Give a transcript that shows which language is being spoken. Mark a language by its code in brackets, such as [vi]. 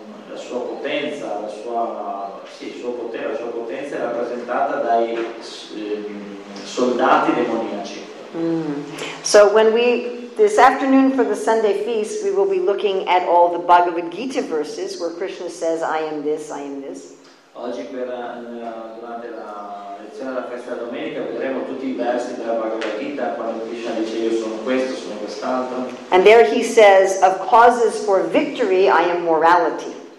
[it] La sua potenza, la sua potenza è rappresentata dai soldati demoniaci. [en] So when we this afternoon for the Sunday feast, we will be looking at all the Bhagavad Gita verses where Krishna says, I am this, I am this. [it] Oggi durante la lezione della festa domenica vedremo tutti i versi della Bhagavad Gita quando Krishna dice io sono questo, sono quest'altro. [en] And there he says, of causes for victory, I am morality.